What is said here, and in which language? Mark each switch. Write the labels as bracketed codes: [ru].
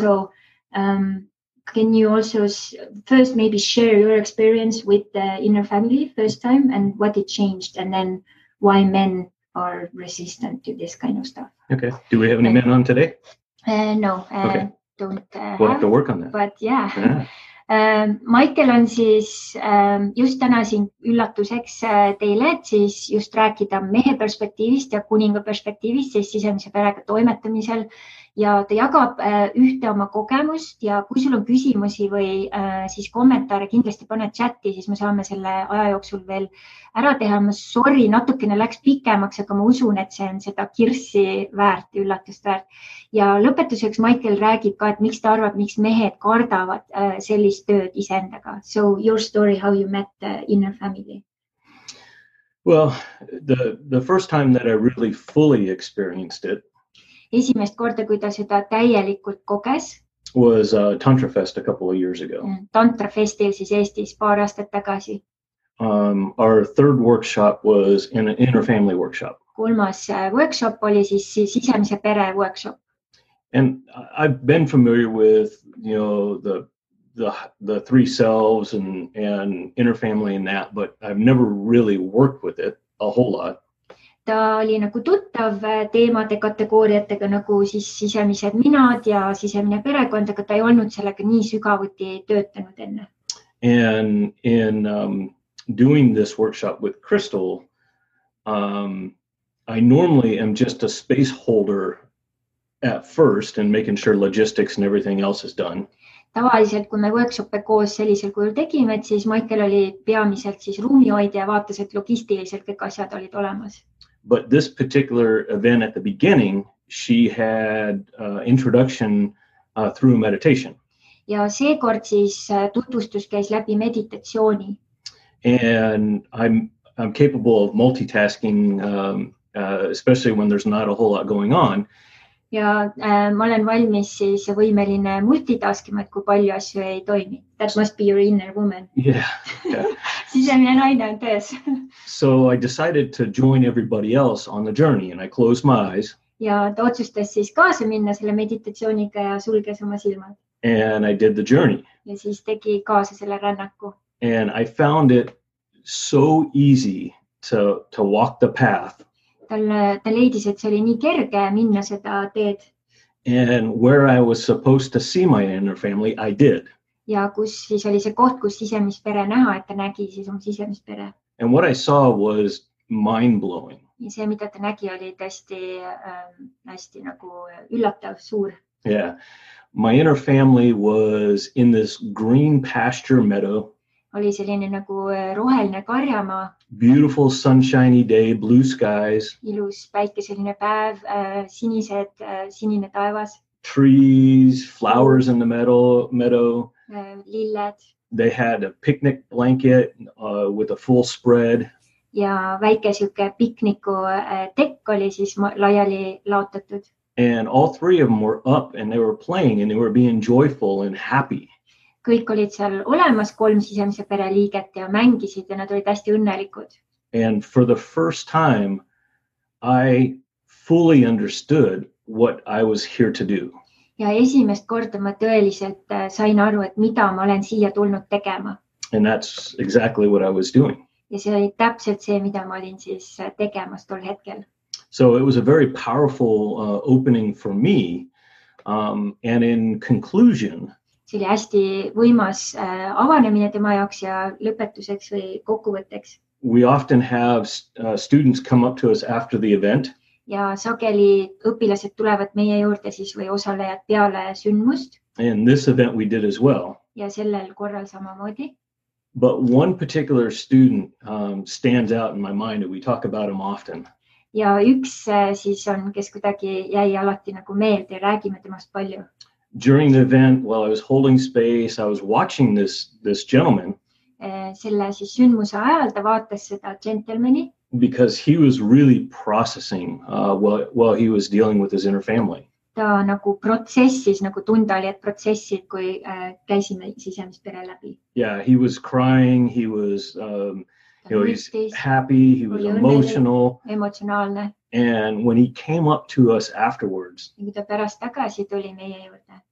[en] So can you also first maybe share your experience with the inner family first time and what it changed and then why men are resistant to this kind of stuff? Okay. Do we have any men on today? No. Okay. Don't we'll have to work on that. But yeah. [et] Michael on siis just täna siin üllatuseks teile, et siis just rääkida mehe perspektiivist ja kuninga perspektiivist, siis sisemise perega toimetamisel. Ja ta jagab ühte oma kogemust ja kui sul on küsimusi või siis kommentaare, kindlasti pane chati, siis me saame selle aja jooksul veel ära teha. Ma sorry, natukene läks pikemaks, aga ma usun, et see on seda kirssi väärt, üllatust väärt. Ja lõpetuseks Michael räägib ka, et miks ta arvab, miks mehed kardavad sellist tööd isendaga. [en] So your story, how you met the inner family. Well, the first time that I really fully experienced it, [et] esimest korda, kui ta seda täielikult koges, [en] was Tantrafest a couple of years ago. [et] Tantrafestil siis Eestis paar aastat tagasi. [en] Our third workshop was an inner family workshop. [et] Kolmas workshop oli siis sisemise pere workshop. [en] And I've been familiar with, you know, the three selves and inner family and that, but I've never really worked with it a whole lot. [et] Ta oli nagu tuttav teemade kategooriatega nagu siis sisemised minad ja sisemine perekond, aga ta ei olnud sellega nii sügavuti töötanud enne. [en] And in doing this workshop with Crystal, I normally am just a space holder at first and making sure logistics and everything else is done. [et] Tavaliselt, kui me workshope koos sellisel kujul tegime, et siis Michael oli peamiselt siis ruumihoidja ja vaatas, et logistiliselt kõik asjad olid olemas. [en] But this particular event at the beginning, she had introduction through meditation. [et] Ja see kord siis tutvustus käis läbi meditatsiooni. [en] And I'm capable of multitasking, especially when there's not a whole lot going on. [et] Ja ma olen valmis siis võimeline multitaskima, et kui palju asju ei toimi. [en] That must be your inner woman. Yeah. [et] Sisemine naine on töös. [en] So I decided to join everybody else on the journey and I closed my eyes. [et] Ja ta otsustas siis kaasa minna selle meditatsiooniga ja sulges oma silmad. [en] And I did the journey. [et] Ja siis tegi kaasa selle rännaku. [en] And I found it so easy to walk the path. [et] Ta leidis, et see oli nii kerge minna seda teed. [en] And where I was supposed to see my inner family, I did. [et] Ja kus siis oli see koht, kus sisemis pere näha, et ta nägi siis on sisemis pere. [en] And what I saw was mind-blowing. [et] Ja see, mida ta nägi, oli tästi hästi nagu üllatav, suur. [en] Yeah. My inner family was in this green pasture meadow. [et] Oli selline nagu roheline karjamaa. [en] Beautiful sunshiny day, blue skies. [et] Ilus päikeseline päev, sinised, sinine taevas. [en] Trees, flowers in the meadow. [et] Lilled. [en] They had a picnic blanket with a full spread. [et] Ja väike siuke pikniku tekk oli siis laiali laotatud. [en] And all three of them were up and they were playing and they were being joyful and happy. [et] Kõik olid seal olemas kolm sisemise pere liiget ja mängisid ja nad olid hästi õnnelikud. [en] And for the first time, I fully understood what I was here to do. [et] Ja esimest korda ma tõeliselt sain aru, et mida ma olen siia tulnud tegema. [en] And that's exactly what I was doing. [et] Ja see oli täpselt see, mida ma olin siis tegemas tol hetkel. [en] So it was a very powerful opening for me. And in conclusion, [et] see oli hästi võimas avanemine tema jaoks ja lõpetuseks või kokkuvõtteks. [en] We often have students come up to us after the event. [et] Ja sageli õpilased tulevad meie juurde siis või osalejad peale sündmust. [en] And this event we did as well. [et] Ja sellel korral samamoodi. [en] But one particular student stands out in my mind and we talk about him often. [et] Ja üks siis on, kes kuidagi jäi alati nagu meelde ja räägime temast palju. [en] During the event, while I was holding space, I was watching this gentleman. [et] Selle siis sündmuse ajal ta vaatas seda gentlemani. [en] Because he was really processing while he was dealing with his inner family. [et] Ta nagu protsessis, nagu tundaljad protsessid, kui käisime sisemist pere läbi. [en] Yeah, he was crying, he was he's happy, he was emotional. [et] Emotsionaalne. [en] And when he came up to us afterwards, [et] ja mida pärast tagasi tuli meie juurde,